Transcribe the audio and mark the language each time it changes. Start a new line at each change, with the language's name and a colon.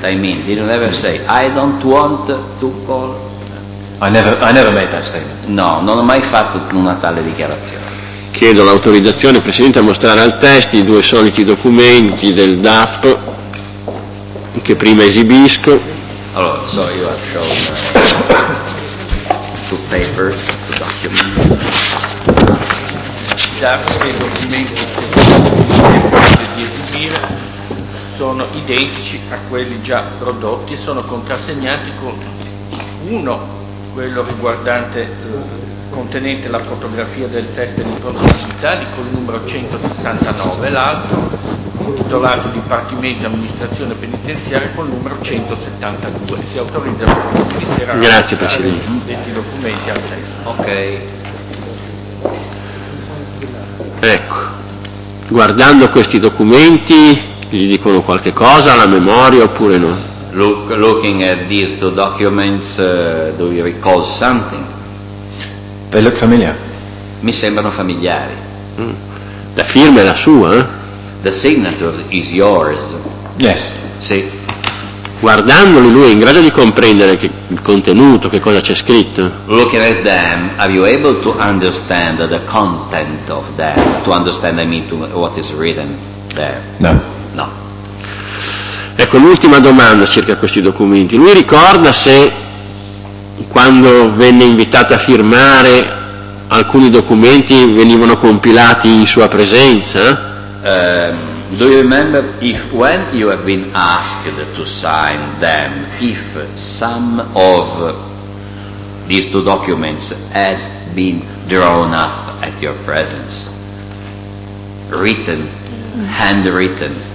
English: I mean, did you ever say I don't want to call? I never made that statement.
Italian: No, non ho mai fatto una tale dichiarazione. Chiedo l'autorizzazione, Presidente, a mostrare al test i due soliti documenti del DAP che prima esibisco.
English: Allora, so you have shown two papers, two documents.
Italian: I documenti che sono identici a quelli già prodotti e sono contrassegnati con uno, quello riguardante contenente la fotografia del test di impronte digitali con il numero 169, l'altro intitolato Dipartimento Amministrazione Penitenziaria con il numero 172. Si autorizza la Commissione. Grazie Presidente. Detti documenti al test. Ok. Ecco, guardando questi documenti, gli dicono qualche cosa alla memoria oppure no?
English: Looking at these two documents, do you recall something? They look familiar.
Italian: Mi sembrano familiari. La firma è la sua, eh?
English: The signature is yours. Yes.
Italian: Sì. guardandoli lui è in grado di comprendere che, il contenuto, che cosa c'è scritto.
English: Looking at them, are you able to understand the content of them? To understand, I mean, to what is written there? No. No.
Italian: Ecco, l'ultima domanda circa questi documenti. Lui ricorda se quando venne invitato a firmare alcuni documenti venivano compilati in sua presenza?
English: Do you remember if when you have been asked to sign them, if some of these two documents has been drawn up at your presence? Written, handwritten.